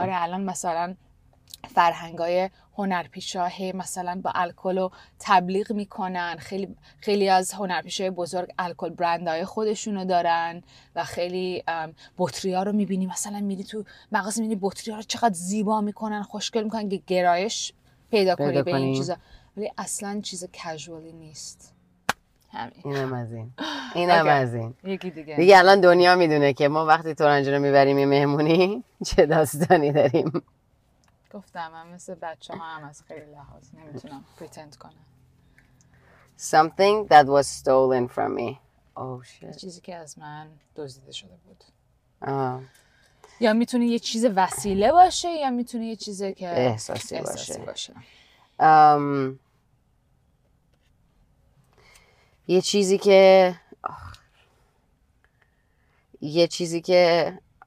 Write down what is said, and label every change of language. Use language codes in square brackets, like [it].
[fa] آره الان مثلا فرهنگای هنرپیشه مثلا با الکل رو تبلیغ میکنن خیلی از هنرپیشه بزرگ الکل برندهای خودشونو دارن و خیلی بطری ها رو میبینی مثلا میری تو مغازه میبینی بطری ها رو چقدر زیبا میکنن خوشگل میکنن که گرایش پیدا کنی به این چیزا ولی اصلا چیز کژوالی نیست. اینم از این یکی دیگه الان دنیا میدونه که ما وقتی تورنجو رو میبریم یه مهمونی چه داستانی داریم. گفتم من مثل بچه ها هم از خیلی لحاظ نمیتونم پریتند کنم. [en] Something that was stolen from me. Oh shit. [fa] چیزی که از من دزدیده شده بود. آه. یا میتونه یه چیز وسیله باشه یا میتونه یه چیزی که احساسی باشه. یه چیزی که